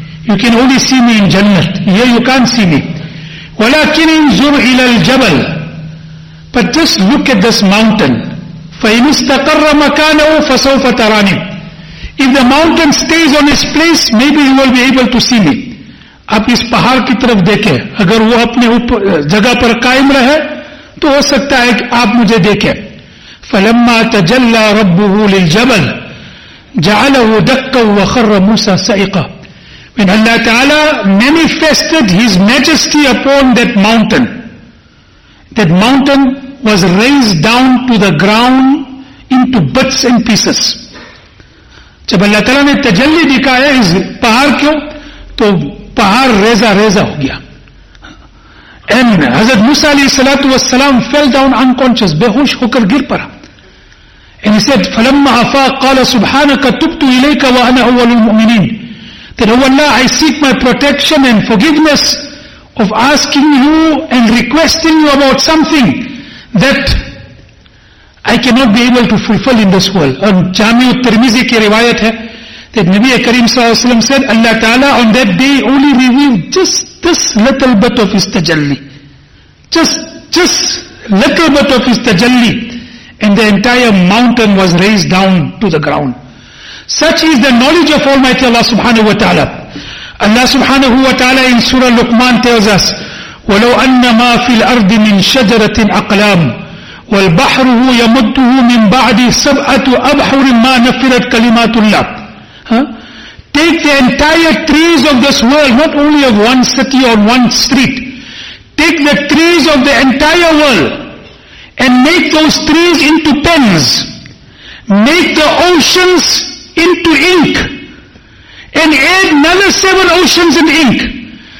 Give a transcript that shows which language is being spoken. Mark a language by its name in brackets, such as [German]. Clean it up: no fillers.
[English] You can only see me in Jannat. Here you can't see me. [Arabic] Walakin anzur ilal jabal. [English] But just look at this mountain. [Arabic] فَإِنِ اسْتَقَرَّ مَكَانَهُ فَسَوْفَ تَرَانِي. [English] If the mountain stays on its place, maybe you will be able to see me. [Urdu] آپ اس پہاڑ کی طرف دیکھیں. اگر وہ اپنے جگہ پر قائم رہے, تو ہو سکتا ہے کہ آپ مجھے دیکھیں. [Arabic] فَلَمَّا تَجَلَّ رَبُّهُ لِلْجَبَلْ جَعَلَهُ دَكَّ وَخَرَّ مُوسَى سَعِقًا. [English] When Allah Ta'ala manifested His majesty upon that mountain, that mountain was raised down to the ground into bits and pieces. [Urdu] جب اللہ تعالیٰ نے تجلی دکھایا اس پہاڑ کیوں, تو پہاڑ ریزہ ریزہ ہو گیا. [English] And حضرت موسیٰ علیہ السلام fell down unconscious, [Urdu] بے ہوش ہو کر گر پر. [English] And he said, [Arabic] فَلَمَّا أَفَاقَ قَالَ سُبْحَانَكَ تُبْتُ إِلَيْكَ وَأَنَا أَوَّلُ الْمُؤْمِنِينَ. [English] That, oh Allah, I seek my protection and forgiveness of asking you and requesting you about something that I cannot be able to fulfill in this world. And Jami Tirmizi [Urdu] ki riwayat hai [English] that Nabi Kareem sallallahu alaihi wasallam said, Allah Ta'ala on that day only revealed just this little bit of His tajalli. Just little bit of His tajalli, and the entire mountain was raised down to the ground. Such is the knowledge of Almighty Allah subhanahu wa ta'ala. Allah subhanahu wa ta'ala in Surah Luqman tells us, [Arabic] وَلَوْ أَنَّ مَا فِي الْأَرْضِ مِنْ شَجَرَةٍ أَقْلَامٍ وَالْبَحْرُهُ يَمُدُّهُ مِنْ بَعْدِ سَبْعَةُ أَبْحُرٍ مَا نَفِرَتْ كَلِمَاتُ اللَّهِ. [English] Take the entire trees of this world, not only of one city or one street. Take the trees of the entire world and make those trees into pens. Make the oceans into ink. And add another 7 oceans in ink.